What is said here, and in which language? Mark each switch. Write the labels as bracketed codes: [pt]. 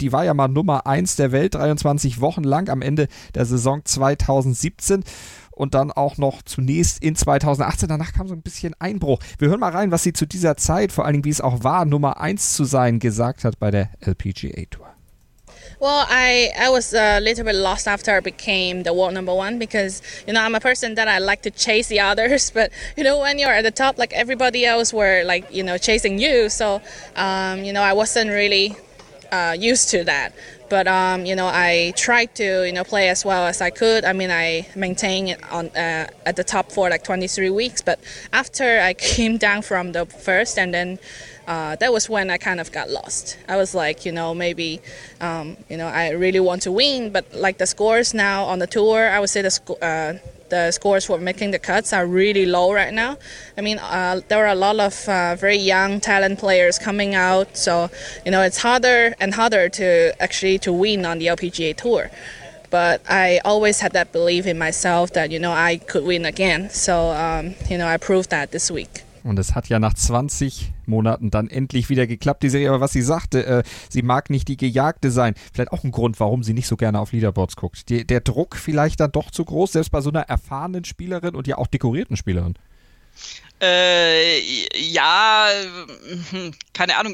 [de] Die war ja mal Nummer 1 der Welt, 23 Wochen lang am Ende der Saison 2017. Und dann auch noch zunächst in 2018. Danach kam so ein bisschen Einbruch. Wir hören mal rein, was sie zu dieser Zeit, vor allen Dingen wie es auch war, Nummer 1 zu sein, gesagt hat bei der LPGA Tour. [en] Well, I was a little bit lost after I became the world number one because, you know, I'm a person that I like to chase the others. But, you know, when you're at the top, like everybody else were like, you know, chasing you. So, you know, I wasn't really used to that. But, you know, I tried to, you know, play as well as I could. I mean, I maintained it on at the top for like 23 weeks. But after I came down from the first and then that was when I kind of got lost. I was like, you know, maybe, you know, I really want to win. But like the scores now on the tour, I would say the scores for making the cuts are really low right now. I mean, there are a lot of very young talent players coming out, so you know it's harder and harder to actually to win on the LPGA Tour. But I always had that belief in myself that you know I could win again. So you know I proved that this week. [de] Und es hat ja nach 20 Monaten dann endlich wieder geklappt, die Serie. Aber was sie sagte, sie mag nicht die Gejagte sein. Vielleicht auch ein Grund, warum sie nicht so gerne auf Leaderboards guckt. Der Druck vielleicht dann doch zu groß, selbst bei so einer erfahrenen Spielerin und ja auch dekorierten Spielerin. Ja, keine Ahnung.